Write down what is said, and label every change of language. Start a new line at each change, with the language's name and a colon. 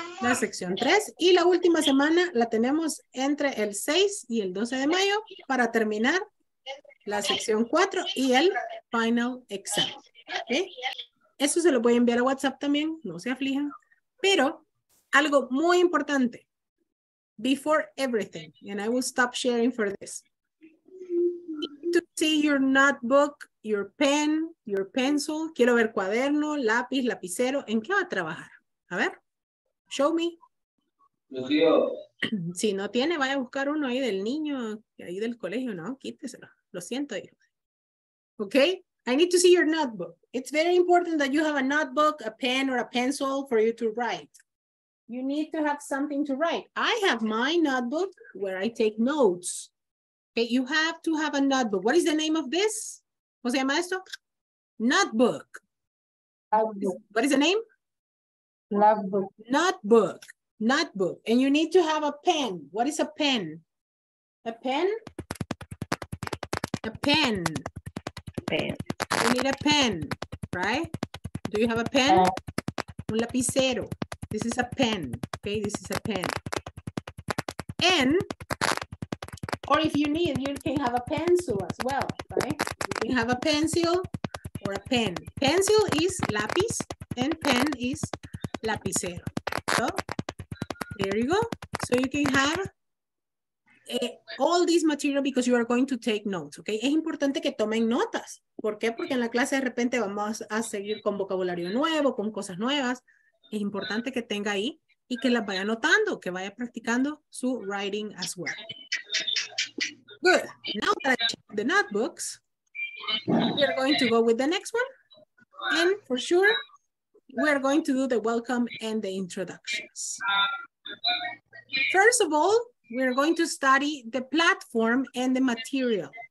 Spanish: La sección 3. Y la última semana la tenemos entre el 6 y el 12 de mayo para terminar la sección 4 y el final exam. ¿Okay? Eso se lo voy a enviar a WhatsApp también, no se aflijan. Pero algo muy importante.
English: Before everything, and I will stop sharing for this. You need to see your notebook, your pen, your pencil.
Spanish: Quiero ver cuaderno, lápiz, lapicero. ¿En qué va a trabajar? A ver,
English: show me.
Spanish: Lucio. Si no tiene, vaya a buscar uno ahí del niño, ahí del colegio. No, quíteselo. Lo siento, hijo. Okay?
English: I need to see your notebook. It's very important that you have a notebook, a pen, or a pencil for you to write. You need to have something to write. I have my notebook where I take notes. Okay, you have to have a notebook. What is the name of this?
Spanish: ¿Cómo se llama esto?
English: Notebook. What is the name? Notebook. Notebook. Notebook. And you need to have a pen. What is a pen? A pen? A pen. Pen. You need a pen, right? Do you have a pen?
Spanish: Un lapicero.
English: This is a pen, okay? This is a pen. And, or if you need, you can have a pencil as well, right? You can have a pencil or a pen. Pencil is lápiz, and pen is lapicero. So, there you go. So you can have all this material because you are going to take notes, okay?
Spanish: Es importante que tomen notas. ¿Por qué? Porque en la clase de repente vamos a seguir con vocabulario nuevo, con cosas nuevas. Es importante que tenga ahí y que las vaya anotando, que vaya practicando su
English: writing as well. Good. Now that I checked the notebooks, we are going to go with the next one. And for sure, we are going to do the welcome and the introductions. First of all, we are going to study the platform and the material.